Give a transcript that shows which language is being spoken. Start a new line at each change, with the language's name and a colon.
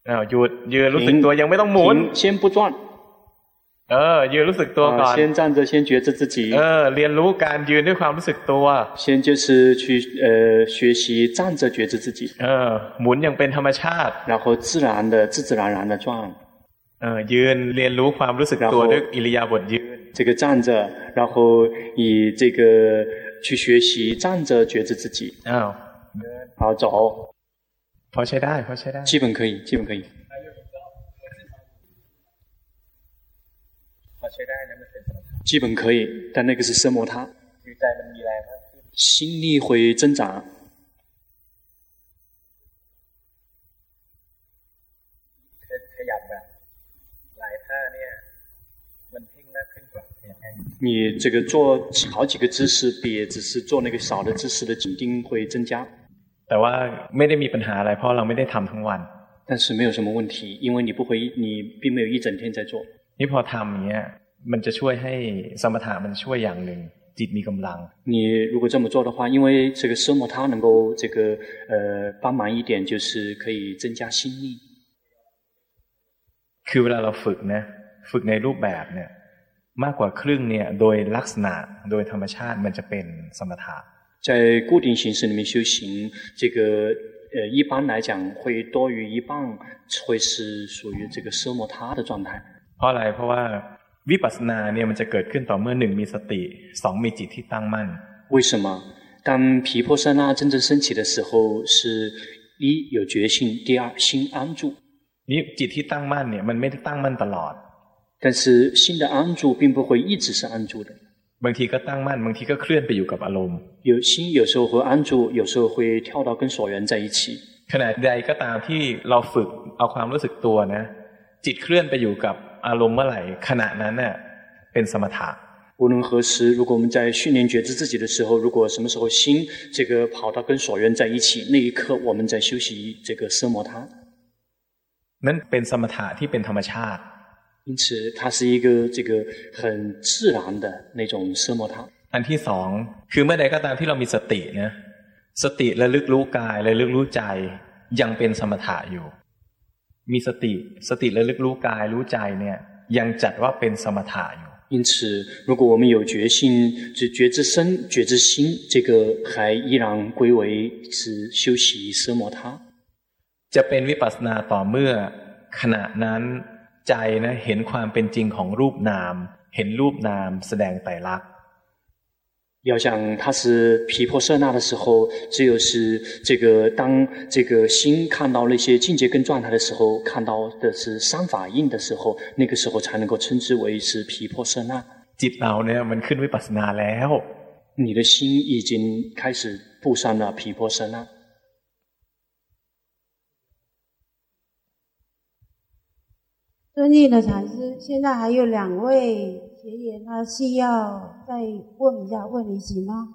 Thai: หยุดยืนรู้สึกตัวยังไม่ต้องหมุน
Chinese: 先不转
Thai: ยืนรู้สึกตัวก่อน
Chinese: 先站着先觉知自己
Thai: เรียนรู้การยืนด้วยความรู้สึกตัว
Chinese: 先就是去学习站着觉知自己
Thai: หมุนอย่างเป็นธรรมชาติ
Chinese: 然后自然的转
Thai: ยืนเรียนรู้ความรู้สึกตัวด้วยอิริยาบถยืน
Chinese: 这个站着然后以这个去学习站着觉知自己好走
Thai: พอใช้ได้
Chinese: 基本可以基本可以但那个是奢摩他心力会增长你这个做好几个姿势比只是做那个少的姿势的紧盯会增加
Thai: แต่ว่าไม่ได้มีปัญหาอะไรเพราะเราไม่ได้ทำทั้งวัน
Chinese: 但是没有什么问题因为你不会你并没有一整天在做你
Thai: พอทำเนี่ยมันจะช่วยให้สมถะมันช่วยอย่างหนึ่งจิตมีกำลัง
Chinese: 你如果这么做的话因为这个奢摩他能够这个帮忙一点就是可以增加心力
Thai: คือเวลาเราฝึกนะฝึกในรูปแบบเนี่ยมากกว่าครึ่งเนี่ยโดยลักษณะโดยธรรมชาติมันจะเป็นสมถะ
Chinese: 在固定形式里面修行这个一般来讲会多于一半会是属于这个奢摩他的状态
Thai: เพราะอะไรเพราะว่าวิปัสสนาเนี่ยมันจะเกิดขึ้นต่อเมื่อ1มีสติ2มีจิตที่ตั้งมั่น
Chinese: 为什么当毗婆舍那真正升起的时候是一有觉性第二心安住
Thai: นี่จิตที่ตั้งมั่นเนี่ยมันไม่ได้ตั้งมั่นตลอด
Chinese: 但是心的安住并不会一直是安住的
Thai: บางทีก็ตั้งมั่นบางทีก็เคลื่อนไปอยู่กับอารมณ์
Chinese: 有心有时候会安住有时候会跳到跟所缘在一起
Thai: ขณะใดก็ตามที่เราฝึกเอาความรู้สึกตัวนะจิตเคลื่อนไปอยู่กับอารมณ์เมื่อไหร่ขณะนั้นเนี่ยเป็นสมถะ
Chinese: 无论何时，如果我们在训练觉知自己的时候，如果什么时候心这个跑到跟所缘在一起，那一刻我们在休息这个奢摩他。那
Thai: เป็นสมถะที่เป็นธรรมชาติ。
Chinese: 因此，它是一个这个很自然的那种奢摩他。
Thai: อันที่สองคือเมื่อใดก็ตามที่เรามีสตินะสติระลึกรู้กายระลึกรู้ใจยังเป็นสมถะอยู่มีสติระลึกรู้กายรู้ใจเนี่ยยังจัดว่าเป็นสมถะอยู่
Chinese: 因此，如果我们有觉性，觉知身、觉知心，这个还依然归为是修习奢摩他。
Thai: จะเป็นวิปัสสนาต่อเมื่อขณะนั้นใจนะเห็นความเป็นจริงของรูปนามเห็นรูปนามแสดงไตรลักษณ์。
Chinese: 要想它是毗婆舍那的时候，只有是这个当这个心看到那些境界跟状态的时候，看到的是三法印的时候，那个时候才能够称之为是毗婆舍那。
Thai: จิตเราเนี่ยมันขึ้นวิปัสสนาแล้ว。
Chinese: 你的心已经开始步上了毗婆舍那。尊敬的禅师，现在还有两位学员，那需要再问一下问题行吗？